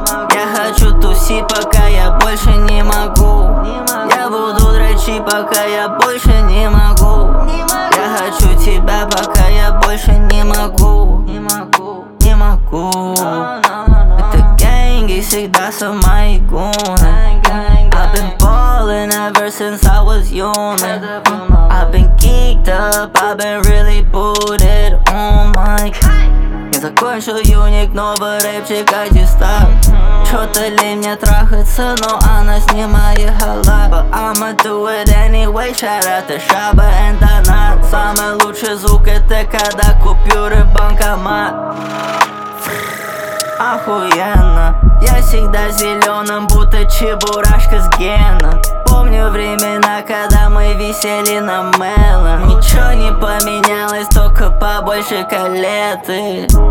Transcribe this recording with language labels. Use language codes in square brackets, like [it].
[ru] Я хочу тусить, пока я больше не могу. Я буду дрочить, пока я больше не могу. Я хочу тебя, пока я больше не могу. Не могу. Это ганги всегда со мной гуна. [en] I've been ballin' ever since I was young. I've been geeked up, I've been really booted. Oh my god. [ru] Я закончил юник, новый рэпчик, антистап. Чё-то лень мне трахаться, но она снимает халат. [en] But I'ma do it anyway, shout out to Shaba and Donat. [ru] Самый лучший звук это когда купюры в банкомат. Охуенно. Я всегда зеленым, будто чебурашка с геном. Помню времена, когда мы висели на мелон. Ничего не поменялось, только побольше калеты.